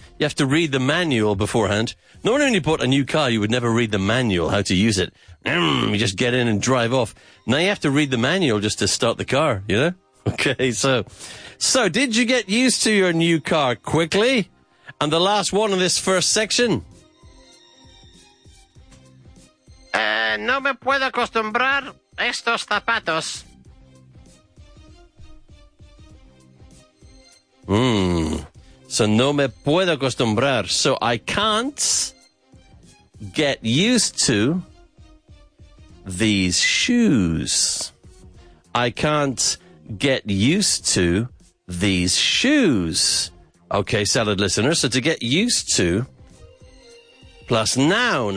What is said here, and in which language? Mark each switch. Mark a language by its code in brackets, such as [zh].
[en] You have to read the manual beforehand. Normally when you bought a new car, you would never read the manual how to use it. You just get in and drive off. Now you have to read the manual just to start the car, you know? Okay, so did you get used to your new car quickly? And the last one in this first section? [es] No me puedo acostumbrar estos zapatos. So no me puedo acostumbrar. [en] So I can't get used to these shoes. I can't get used to these shoes. Okay, salad listeners. So to get used to plus noun.